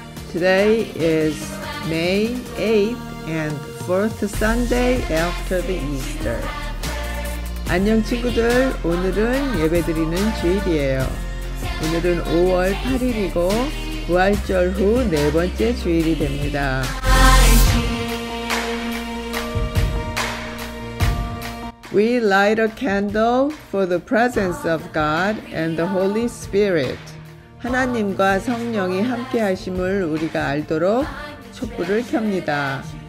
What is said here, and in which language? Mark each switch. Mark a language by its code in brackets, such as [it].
[en] Today is May 8th and 4th Sunday after the Easter. [ko] 안녕 친구들, 오늘은 예배드리는 주일이에요. 오늘은 5월 8일이고 부활절 후 네 번째 주일이 됩니다. [en] We light a candle for the presence of God and the Holy Spirit. [ko] 하나님과 성령이 함께 하심을 우리가 알도록 촛불을 켭니다.